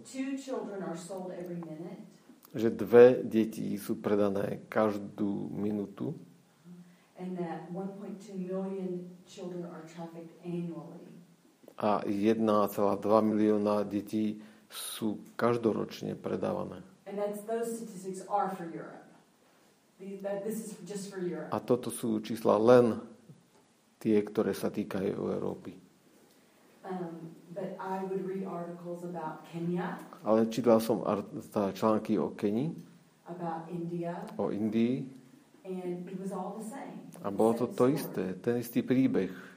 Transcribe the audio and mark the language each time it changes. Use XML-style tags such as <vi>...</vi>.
<en>two children are sold every minute.</en> <sk>Že dve deti sú predané každú minútu.</sk> <en>And that 1.2 million children are trafficked annually.</en> <sk>A 1,2 milióna detí sú každoročne predávané.</sk> <en>And those statistics are for Europe. This is just for Europe.</en> <sk>A toto sú čísla len tie, ktoré sa týkajú Európy.</sk> <en>But I would read articles about Kenya.</en> <sk>Ale čítala som články o Kenii.</sk> <en>About India.</en> <sk>O Indii.</sk> <en>And it was all the same.</en> <sk>A bolo to isté, ten istý príbeh.</sk>